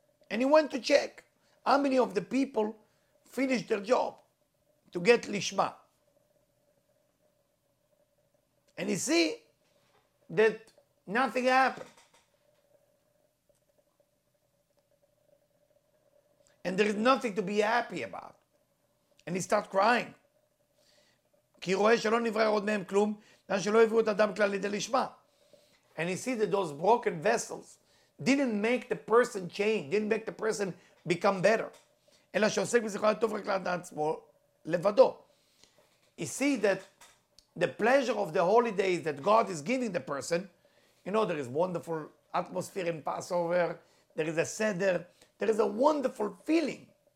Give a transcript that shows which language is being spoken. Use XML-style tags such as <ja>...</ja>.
<en>And he went to check how many of the people finished their job to get Lishma. And he see that nothing happened. And there is nothing to be happy about. And he starts crying.</en> <he>כי רואה שלא נברא עוד מהם כלום, ואז שלא הביאו את אדם כלל לידי לשמה.</he> <en>And he sees that those broken vessels didn't make the person change, didn't make the person become better.</en> <he>אלא שעוסק בזכרו הטוב רק לעצמו לבדו.</he> <en>He sees that the pleasure of the holidays that God is giving the person, you know, there is wonderful atmosphere in Passover, there is a Seder, there is a wonderful feeling.</en>